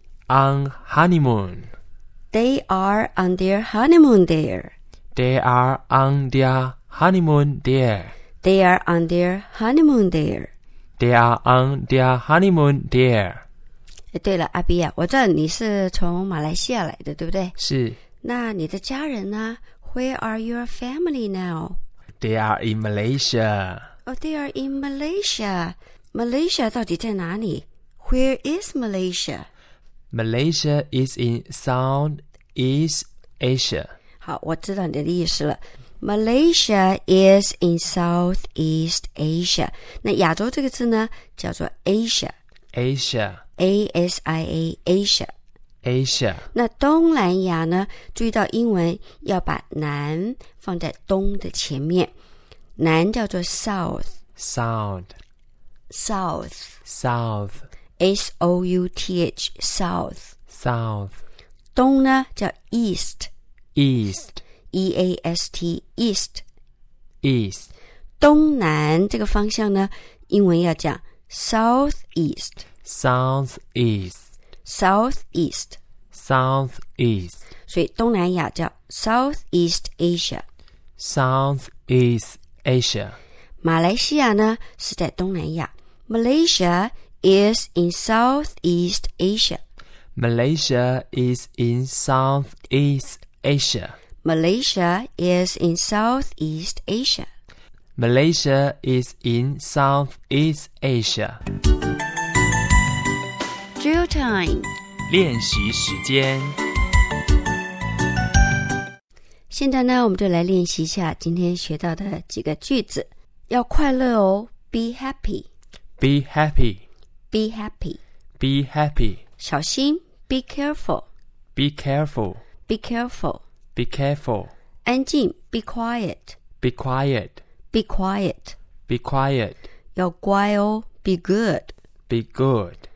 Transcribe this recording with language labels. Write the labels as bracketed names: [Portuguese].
[English] on honeymoon they are on their honeymoon there they are on their honeymoon there they are on their honeymoon there they are on their honeymoon there [Chinese] 对了阿比亚我知道你是从马来西亚来的对不对是那你的家人呢 [English] Where are your family now? They are in Malaysia Oh, they are in Malaysia Malaysia [Chinese] 到底在哪里 [English] Where is Malaysia? Malaysia is in Southeast Asia [Chinese] 好我知道你的意思了 [English] Malaysia is in Southeast Asia [Chinese] 那亚洲这个字呢叫做 Asia [English] Asia ASIA Asia Asia [Chinese] 那东南亚呢注意到英文要把南放在东的前面南叫做 South [English] South South South S-O-U-T-H South South [Chinese] 东呢叫 East [English] East E-A-S-T East East [Chinese] 东南这个方向呢英文要讲 SouthEast [English] Southeast Southeast Southeast [Chinese] 所以东南亚叫 Southeast Asia [English] Southeast Asia [Chinese] 马来西亚呢是在东南亚 [English] Malaysia is in Southeast Asia Malaysia is in Southeast Asia Malaysia is in Southeast Asia Malaysia is in Southeast Asia Drill time [Chinese] 练习时间现在呢我们就来练习一下今天学到的几个句子要快乐哦 [English] Be happy Be happy Be happy Be happy [Chinese] 小心 [English] Be careful Be careful Be careful Be careful [Chinese] 安静 [English] Be quiet Be quiet Be quiet Be quiet [Chinese] 要乖哦 [English] Be good Be good